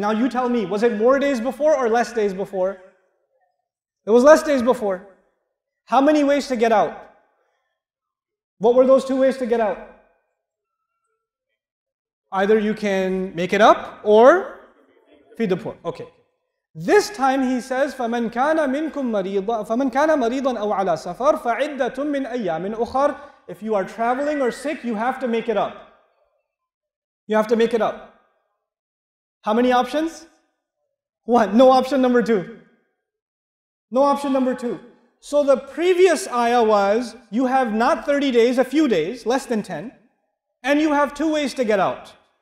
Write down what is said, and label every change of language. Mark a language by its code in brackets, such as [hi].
[en] Now you tell me, was it more days before or less days before? It was less days before. How many ways to get out? What were those two ways to get out? Either you can make it up or feed the poor. Okay. This time he says, [ar] فَمَنْ كَانَ مِنْكُمْ مَرِيضًا فَمَنْ كَانَ مَرِيضًا أَوْ عَلَى سَفَرٍ فَعِدَّةٌ مِّنْ أَيَّامٍ أُخَرٍ. [en] If you are traveling or sick, you have to make it up. You have to make it up. How many options? One. No option number two. No option number two. So the previous ayah was, you have not 30 days, a few days, less than 10, and you have two ways to get out.